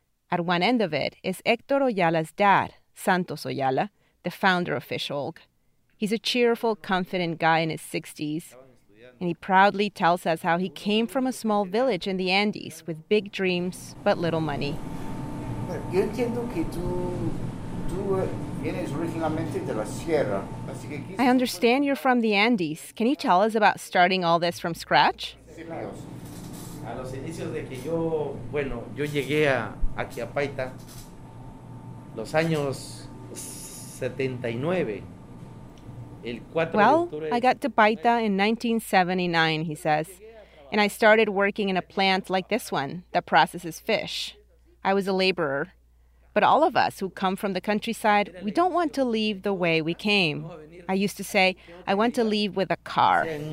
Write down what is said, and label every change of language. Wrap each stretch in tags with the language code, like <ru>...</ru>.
<en>At one end of it is Hector Oyala's dad, Santos Oyala, the founder of Fish Olg. He's a cheerful, confident guy in his 60s, and he proudly tells us how he came from a small village in the Andes with big dreams but little money.</en> <es>Yo entiendo que tú vienes originalmente de la sierra.</es> <en>I understand you're from the Andes. Can you tell us about starting all this from scratch?</en> <es>A los inicios de que yo llegué aquí a Paita, los años 79.</es> <en>Well, I got to Paita in 1979, he says, and I started working in a plant like this one that processes fish. I was a laborer. But all of us who come from the countryside, we don't want to leave the way we came. I used to say, I want to leave with a car.</en>